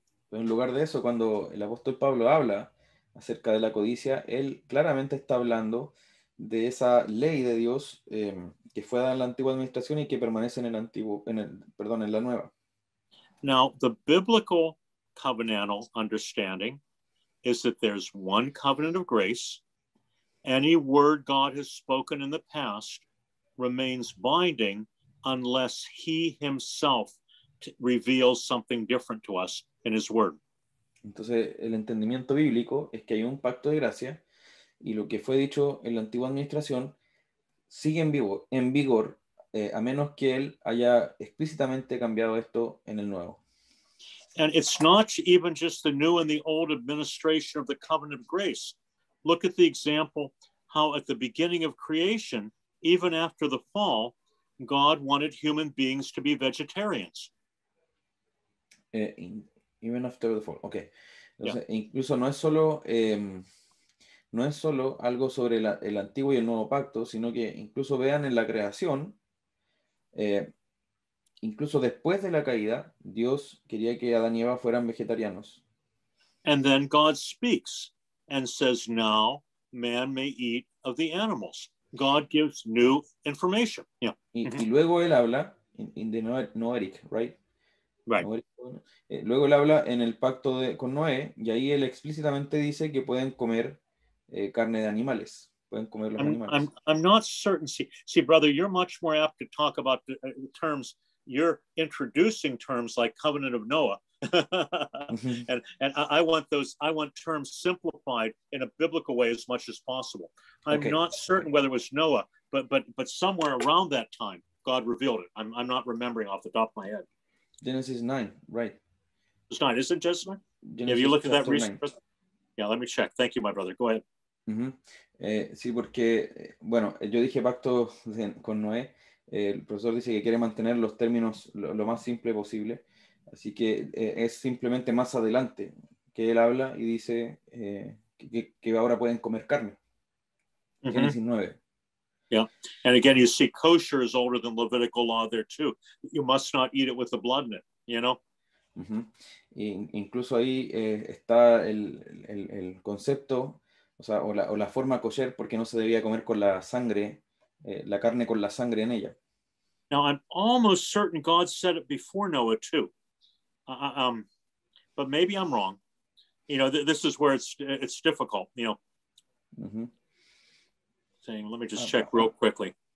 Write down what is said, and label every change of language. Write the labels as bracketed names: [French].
[Spanish] Pero en lugar de eso, cuando el apóstol Pablo habla acerca de la codicia, él claramente está hablando de esa ley de Dios que fue dada en la antigua administración y que permanece en la nueva. [English] Now, the biblical covenantal understanding is that there's one covenant of grace. Any word God has spoken in the past remains binding unless he himself reveals something different to us in his word. [Spanish] Entonces, el entendimiento bíblico es que hay un pacto de gracia y lo que fue dicho en la antigua administración sigue en vigor a menos que él haya explícitamente cambiado esto en el nuevo. [English] And it's not even just the new and the old administration of the covenant of grace. Look at the example how at the beginning of creation, even after the fall, God wanted human beings to be vegetarians. Even after the fall. Okay. [Spanish] Entonces, [English] yeah. [Spanish] Incluso no es solo no es solo algo sobre el antiguo y el nuevo pacto, sino que incluso vean en la creación, incluso después de la caída, Dios quería que Adán y Eva fueran vegetarianos. [English] And then God speaks and says, now man may eat of the animals. God gives new information. Yeah. [Spanish] Y luego él habla [English] in the Noahic, right? Right. [Spanish] Luego él habla en el pacto con Noé, y ahí él explícitamente dice que pueden comer carne de animales. Pueden comer los animales. [English] I'm not certain. See, brother, you're much more apt to talk about the terms. You're introducing terms like covenant of Noah. and I want those. I want terms simplified in a biblical way as much as possible. I'm okay. Not certain whether it was Noah, but somewhere around that time, God revealed it. I'm not remembering off the top of my head. Genesis 9, right. It's 9, isn't it, Genesis 9? Genesis, have you looked at that recently? Yeah, let me check. Thank you, my brother. Go ahead. Mm-hmm. [Spanish] Sí, porque, bueno, yo dije pacto con Noé. El profesor dice que quiere mantener los términos lo más simple posible. Así que es simplemente más adelante que él habla y dice que ahora pueden comer carne. [English] Mm-hmm. Genesis 9. Yeah, and again, you see, kosher is older than Levitical law there too. You must not eat it with the blood in it, you know? Mm-hmm. [Spanish] Incluso ahí está el concepto, o sea, o la forma kosher, porque no se debía comer con la sangre, la carne con la sangre en ella. [English] Now, I'm almost certain God said it before Noah too. But maybe I'm wrong. You know, this is where it's difficult, you know? Mm-hmm. Thing. Let me just check real quickly.